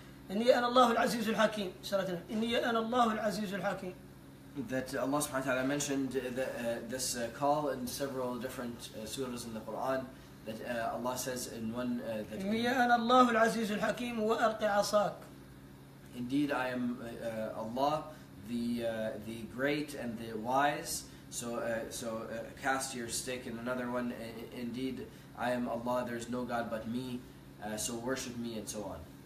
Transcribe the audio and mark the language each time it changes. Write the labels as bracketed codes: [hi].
[ar] إني أنا الله العزيز الحكيم. سورتنا إني أنا الله العزيز الحكيم. [en] That Allah subhanahu wa ta'ala mentioned this call in several different surahs in the Quran that Allah says in one that [ar] إني أنا الله العزيز الحكيم وألقي عصاك. [en] Indeed, I am Allah, the great and the wise. So cast your stick. In another one, indeed, I am Allah. There is no god but me. So worship me, and so on.